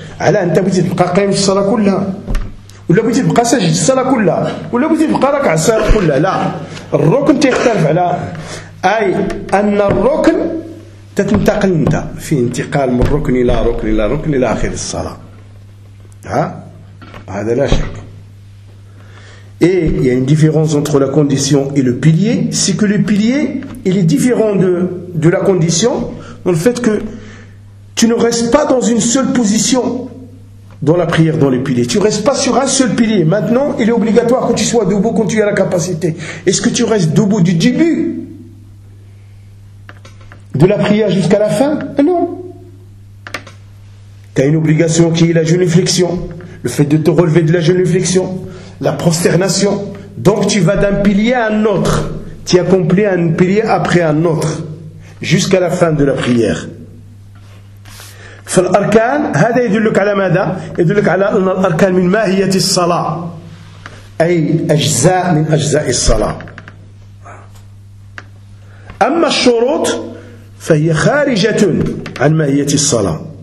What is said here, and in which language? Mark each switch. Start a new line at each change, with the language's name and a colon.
Arabic: على أنت بغيتي تبقى قائم في الصلاة كلها ولا بغيتي تبقى ساجد في الصلاة كلها ولا بغيتي تبقى راكع في الصلاة كلها. لا، الركن تختلف على أي أن الركن تتنتقل انت في انتقال من ركن الى ركن الى ركن الى اخر الصلاه. ها هذا لا شك.
French: Et il y a une différence entre la condition et le pilier, c'est que le pilier il est différent de la condition dans le fait que tu ne restes pas dans une seule position dans la prière dans le pilier. Tu ne restes pas sur un seul pilier. Maintenant, il est obligatoire que tu sois debout quand tu as la capacité. Est-ce que tu restes debout du début de la prière jusqu'à la fin? Non. Tu as une obligation qui est la génuflexion, le fait de te relever de la génuflexion, la prosternation. Donc tu vas d'un pilier à un autre, tu accomplis un pilier après un autre, jusqu'à la fin de la prière.
Arabic: فالأركان هذا يدلك على ماذا؟ يدلك على أن الأركان من ماهية الصلاة، أي أجزاء من أجزاء الصلاة. أما الشروط فهي خارجة عن ماهية الصلاة.